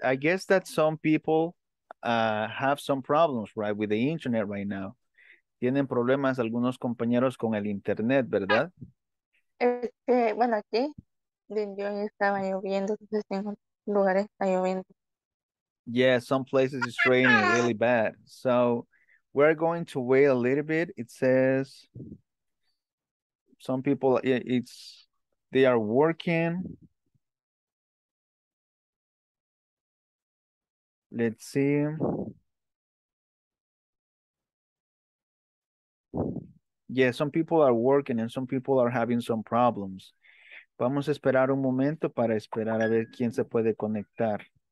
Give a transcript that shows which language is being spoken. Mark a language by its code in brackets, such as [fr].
[en] I guess that some people have some problems, right, with the internet right now. [es] Tienen problemas algunos compañeros con el internet, ¿verdad? Bueno, aquí de hoy estaba lloviendo, entonces en lugares está lloviendo. [en] Yeah, some places it's raining really bad. So we're going to wait a little bit. It says some people, it's they are working. Let's see. Yeah, some people are working and some people are having some problems. [es] Vamos a esperar un momento para esperar a ver quién se puede conectar.